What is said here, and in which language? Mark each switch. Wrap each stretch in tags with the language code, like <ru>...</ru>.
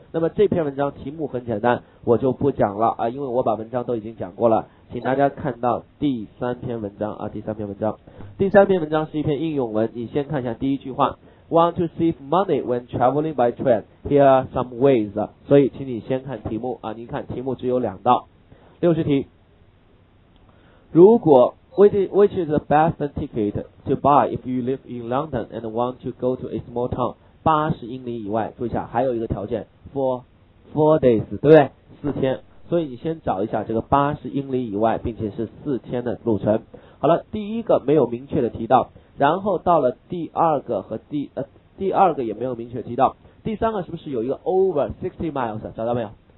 <zh>那么这篇文章题目很简单，我就不讲了啊，因为我把文章都已经讲过了，请大家看到第三篇文章啊，第三篇文章，第三篇文章是一篇应用文，你先看一下第一句话。</zh> <en>Want to save money when traveling by train? Here are some ways.</en> <zh>所以请你先看题目啊，你看题目只有两道。六十题。如果</zh> <en>which is the best ticket to buy if you live in London and want to go to a small town?</en> <zh>八十英里以外，注意一下，还有一个条件 ,4 days, 对不对？四天。所以你先找一下这个八十英里以外并且是四天的路程。好了，第一个没有明确的提到。然后到了第二个和第二个也没有明确提到，第三个是不是有一个</zh> <en>over 60 miles</en> <zh>找到没有？</zh>